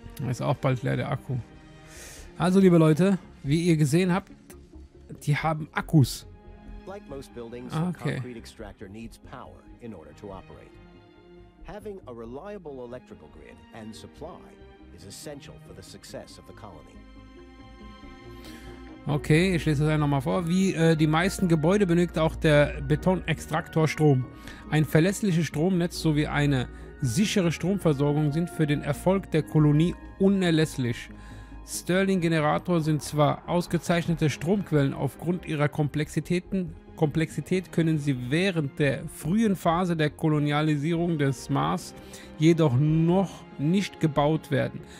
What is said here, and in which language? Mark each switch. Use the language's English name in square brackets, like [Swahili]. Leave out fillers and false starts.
[German] Ist auch bald leer, der Akku. Also, liebe Leute, wie ihr gesehen habt, die haben Akkus. [English] Like most buildings, okay. The concrete extractor needs power in order to operate. Having a reliable electrical grid and supply is essential for the success of the colony. [German] Okay, ich lese das nochmal vor. Wie die meisten Gebäude benötigt auch der Betonextraktor Strom. Ein verlässliches Stromnetz sowie eine sichere Stromversorgung sind für den Erfolg der Kolonie unerlässlich. Stirling-Generator sind zwar ausgezeichnete Stromquellen, aufgrund ihrer Komplexität können sie während der frühen Phase der Kolonialisierung des Mars jedoch noch nicht gebaut werden.